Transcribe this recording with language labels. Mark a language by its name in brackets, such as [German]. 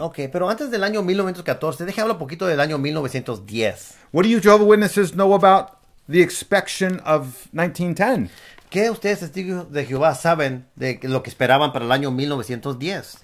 [Spanish] Okay, pero antes del año 1914, déjame hablar un poquito del año 1910. [English] What do you Jehovah's Witnesses know about the expectation of 1910? [Spanish] ¿Qué ustedes, testigos de Jehová, saben de lo que esperaban para el año 1910?